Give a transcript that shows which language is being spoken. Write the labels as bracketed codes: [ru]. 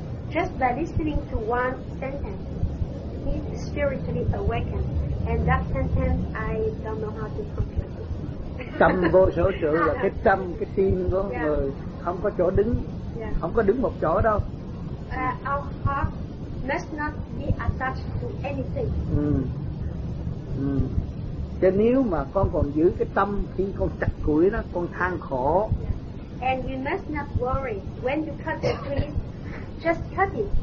[en] Just by listening to one sentence, he spiritually awakened. And that sentence, I don't know how to complete. [vi] Tâm vô sở trụ là cái tâm, cái tim của yeah. người không có chỗ đứng, [en] yeah. [vi] không có đứng một chỗ đâu. [en] Our heart must not be attached to anything. [vi] Cho nếu mà con còn giữ cái tâm khi con chặt củi đó, con than khổ. [en] Yeah. And you must not worry when you cut the tree, just cut it.